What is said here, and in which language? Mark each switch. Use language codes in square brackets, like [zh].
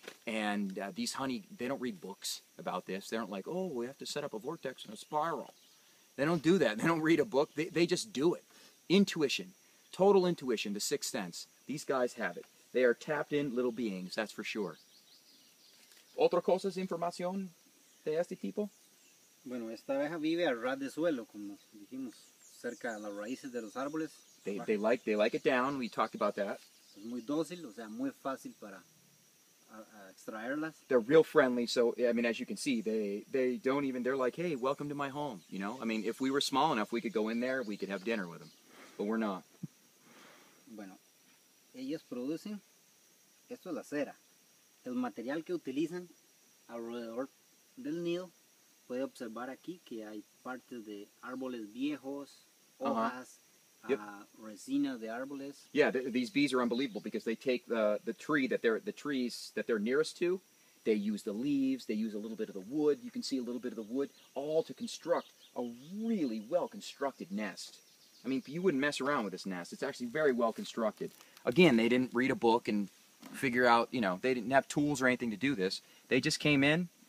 [en] And these honey, they don't read books about this. They aren't like, oh, we have to set up a vortex and a spiral. They don't do that. They don't read a book. They just do it. Intuition, total intuition, the sixth sense. These guys have it. They are tapped in little beings, that's for sure. [es] ¿Otra cosa es información de este tipo? Bueno, esta abeja vive al ras de suelo, como dijimos. Cerca de las raíces de los árboles. [en] They like it down. We talked about that. [es] Es muy dócil, o sea, muy fácil para extraerlas. [en] They're real friendly, so I mean, as you can see, they don't even, they're like, hey, welcome to my home. You know, I mean, if we were small enough, we could go in there, we could have dinner with them, but we're not. [es] Bueno, ellos producen, esto es la cera, el material que utilizan alrededor del nido. Puede observar aquí que hay partes de árboles viejos, hojas, resina de árboles. [en] Yeah, these bees are unbelievable because they take the trees that they're nearest to. They use the leaves. They use a little bit of the wood. You can see a little bit of the wood, all to construct a really well constructed nest. I mean, you wouldn't mess around with this nest. It's actually very well constructed. Again, they didn't read a book and figure out, you know, they didn't have tools or anything to do this. They just came in.